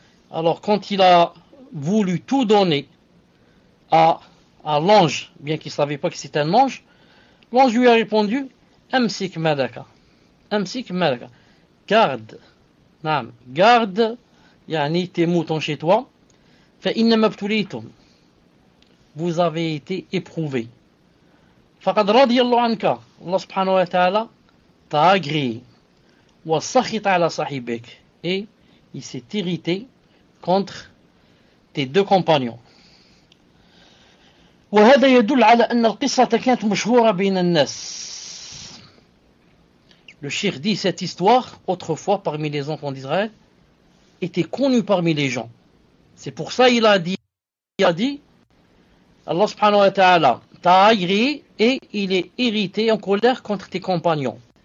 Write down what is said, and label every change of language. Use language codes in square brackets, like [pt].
[fr] Alors quand il a voulu tout donner à l'ange, bien qu'il ne savait pas que c'était un ange, l'ange lui a répondu, [ar] Amsik malaka, Amsik malaka, [fr] garde, naam, garde, yani tes moutons chez toi, [ar] fa innama btulitum, [fr] vous avez été éprouvés. [ar] Faqad radiyallahu anka, [fr] Allah subhanahu wa ta'ala t'a agréé, [ar] wa sakhita ala sahibek, [fr] et il s'est irrité contre tes deux compagnons. [ar] وهذا يدل على أن القصة كانت مشهورة بين الناس. [fr] Le cheikh dit cette histoire, autrefois parmi les enfants d'Israël, était connue parmi les gens. C'est pour ça qu'il a dit, Allah subhanahu wa ta'ala t'a agréé et il est irrité en colère contre tes compagnons.